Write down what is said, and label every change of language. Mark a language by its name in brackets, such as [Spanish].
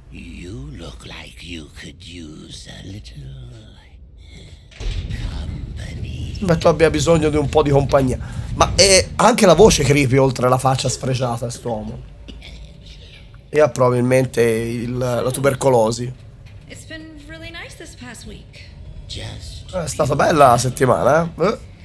[English] You look like you could use a little company. [Italian] Ma tu abbia bisogno di un po' di compagnia. Ma è anche la voce creepy oltre la faccia sfregiata, quest'uomo. E ha probabilmente la tubercolosi. [English] It's been really nice this past week. [Italian] È stata bella la settimana, eh?